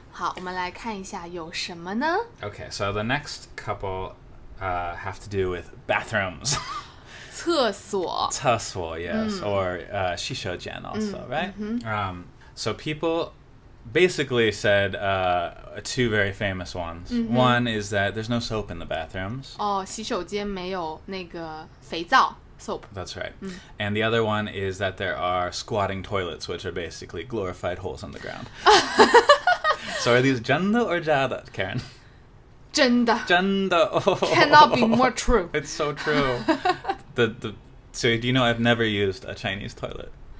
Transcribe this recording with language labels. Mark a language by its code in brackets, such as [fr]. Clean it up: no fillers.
[zh] 好，我们来看一下有什么呢? [en] Okay, so the next couple have to do with bathrooms. [zh] 厕所。厕所, [en] yes. Or [zh] 洗手间 [en] also, right? So people basically said two very famous ones. One is that there's no soap in the bathrooms. [zh] 哦，洗手间没有那个肥皂。 [en] Soap. That's right. And the other one is that there are squatting toilets, which are basically glorified holes in the ground. So are these [zh] 真的 [en] or [zh] 假的, [en] Karen? [zh] 真的。真的。 [en] Oh, cannot be more true. It's so true. So do you know I've never used a Chinese toilet?